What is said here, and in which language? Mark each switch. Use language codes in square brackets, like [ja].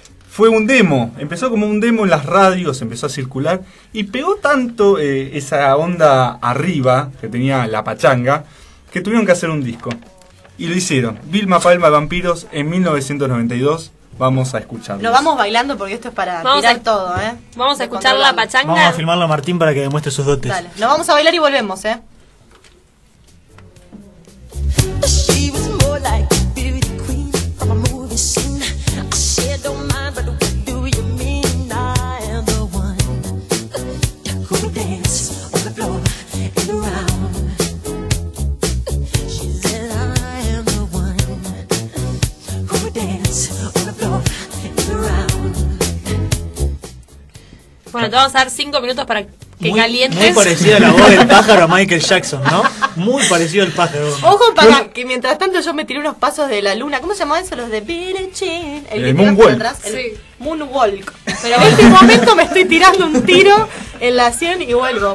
[es] Fue un demo, empezó como un demo en las radios, empezó a circular y pegó tanto esa onda arriba que tenía la pachanga que tuvieron que hacer un disco. Y lo hicieron, Vilma Palma y Vampiros en 1992. Vamos a escucharlos. Nos vamos bailando porque esto es para tirar todo, ¿eh? Vamos a escuchar la pachanga. Vamos a filmarlo a Martín para que demuestre sus dotes. Dale, nos vamos a bailar y volvemos, ¿eh? [en] She was more like a beauty queen from a movie scene. I said, don't mind, but what do you mean? I am the one who would dance on the floor and around. She said, I am the one who would dance on the floor and around. [es] Bueno, te vamos a dar 5 minutos para... Que muy, calientes. Muy parecido a la voz del pájaro a Michael Jackson, ¿no? Muy parecido al pájaro. Ojo para que mientras tanto yo me tiré unos pasos de la luna. ¿Cómo se llamaban esos? Los de Billie Jean. El Moonwalk. Atrás, sí. Moonwalk. Pero en este momento me estoy tirando un tiro en la sien y vuelvo.